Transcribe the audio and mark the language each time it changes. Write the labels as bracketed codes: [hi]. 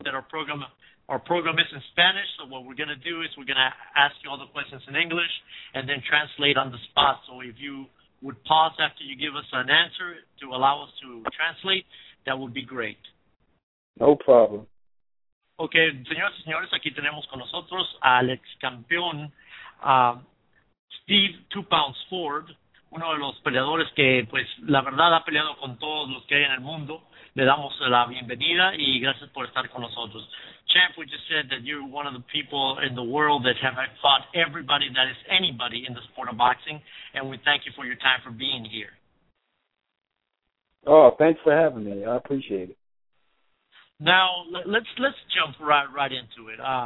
[en] you that our program is in Spanish, so what we're going to do is we're going to ask you all the questions in English and then translate on the spot. So if you would pause after you give us an answer to allow us to translate, that would be great. No problem. [es] Ok, señoras y señores, aquí tenemos con nosotros al ex campeón Steve Two Pounds Ford, uno de los peleadores que, pues, la verdad ha peleado con todos los que hay en el mundo. Le damos la bienvenida y gracias por estar con nosotros. [en] Champ, we just said that you're one of the people in the world that have fought everybody that is anybody in the sport of boxing, and we thank you for your time for being here. Oh, thanks for having me. I appreciate it. Now, let's jump right into it.